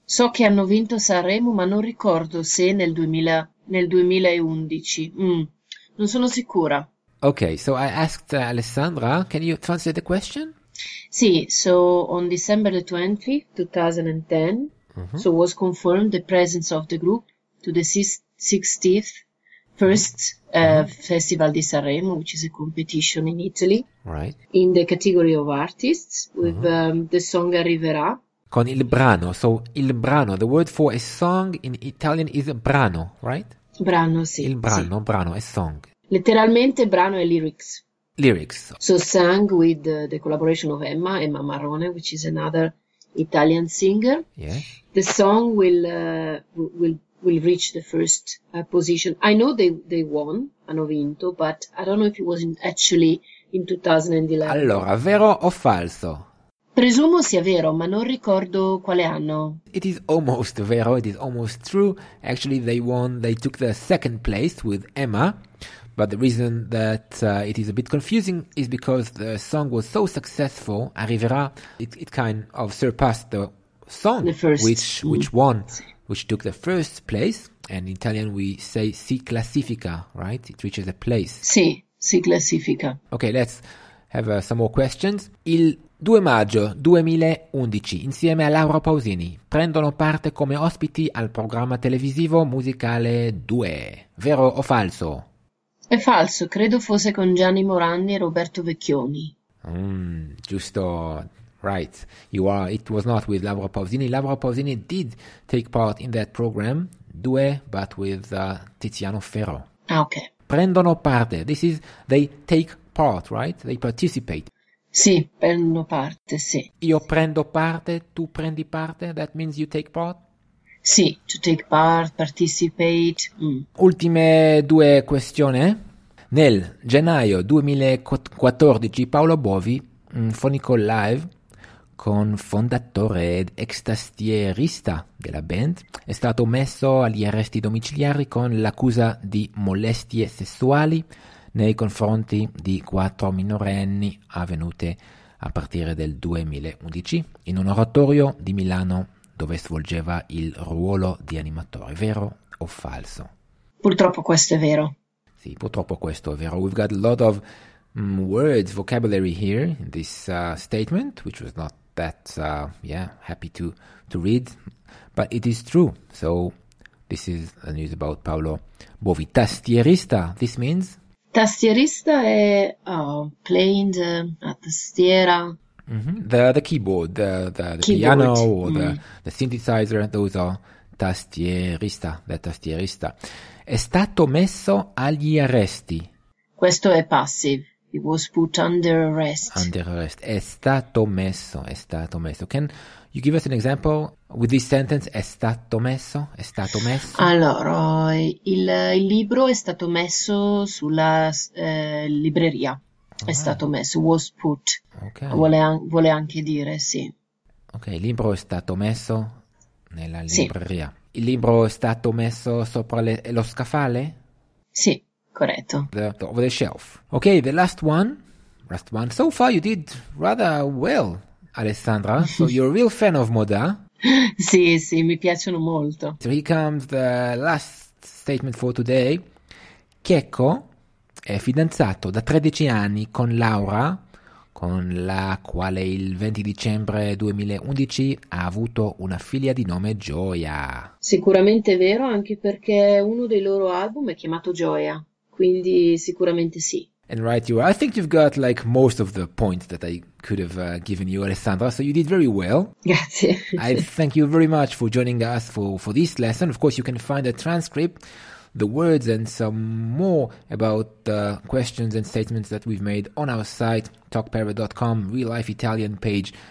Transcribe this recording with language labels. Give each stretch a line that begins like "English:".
Italian: So che hanno vinto Sanremo, ma non ricordo se nel 2011. Non sono sicura.
English: Okay, so I asked Alessandra, can you translate the question? Sì, so on December the 20th, 2010, so was confirmed the presence of the group to the 60th first festival di Sanremo, which is a competition in Italy, right, in the category of artists with the song Arriverà.
Italian: Con il brano,
English: so il brano, the word for a song in Italian is brano, right?
Italian: Brano, sì. Il brano, sì.
English: Brano, a song.
Italian: Letteralmente brano è lyrics.
English: Lyrics. So sang with the collaboration of Emma Marrone, which is another Italian singer. Yes. The song will reach the first position. I know they won,
Italian: hanno vinto,
English: but I don't know if it was actually in 2011.
Italian: Allora, vero o falso? Presumo sia vero, ma non ricordo quale anno.
English: It is almost
Italian: vero,
English: it is almost true. Actually, they won, they took the second place with Emma. But the reason that it is a bit confusing is because the song was so successful, Arriverà, it kind of surpassed the song, the first. Which won, which took the first place. And in Italian we say si classifica, right? It reaches a place.
Italian: Sì, si classifica.
English: Okay, let's have some more questions.
Italian: Il 2 maggio 2011, insieme a Laura Pausini, prendono parte come ospiti al programma televisivo musicale 2. Vero o falso? È falso, credo fosse con Gianni Morandi e Roberto Vecchioni. Giusto,
English: right. You are. It was not with Laura Pausini. Laura Pausini did take part in that program, due, but with Tiziano Ferro.
Italian: Ah, ok. Prendono parte.
English: This is, they take part, right? They participate.
Italian: Sì, prendono parte, sì. Io prendo parte, tu prendi parte,
English: that means you take part? Sì, to take part, participate.
Italian: Ultime due questioni. Nel gennaio 2014 Paolo Bovi, fonico live con fondatore ed ex tastierista della band, è stato messo agli arresti domiciliari con l'accusa di molestie sessuali nei confronti di quattro minorenni avvenute a partire del 2011 in un oratorio di Milano, dove svolgeva il ruolo di animatore. Vero o falso? Purtroppo questo è vero. Sì, purtroppo questo è vero.
English: We've got a lot of words, vocabulary here in this statement, which was not that happy to read, but it is true. So this is the news about Paolo Bovi. Tastierista, this means?
Italian: Tastierista è
English: playing a
Italian: tastiera.
English: The keyboard, the piano, or the synthesizer, those are tastierista, the tastierista.
Italian: È stato messo agli arresti. Questo è
English: passive, He was put under arrest. Under arrest.
Italian: È stato messo. È stato messo.
English: Can you give us an example with this sentence?
Italian: È stato messo. È stato messo. Allora, il libro è stato messo sulla libreria. È stato messo.
English: Was put. Okay.
Italian: Vuole anche dire, sì. Ok, il libro è stato messo nella libreria. Sì. Il libro è stato messo sopra lo scaffale? Sì. Corretto.
English: Over the shelf. Okay, the last one. Last one. So far you did rather well, Alessandra. So you're a real fan of moda.
Italian: Sì, sì, mi piacciono molto.
English: So here comes the last statement for today.
Italian: Checco è fidanzato da 13 anni con Laura, con la quale il 20 dicembre 2011 ha avuto una figlia di nome Gioia. Sicuramente è vero, anche perché uno dei loro album è chiamato Gioia. Quindi sicuramente sì.
English: And right, you are. I think you've got like most of the points that I could have given you, Alessandra. So you did very well.
Italian: Grazie.
English: I thank you very much for joining us for this lesson. Of course, you can find the transcript, the words and some more about the questions and statements that we've made on our site, talkpara.com, Real Life Italian page.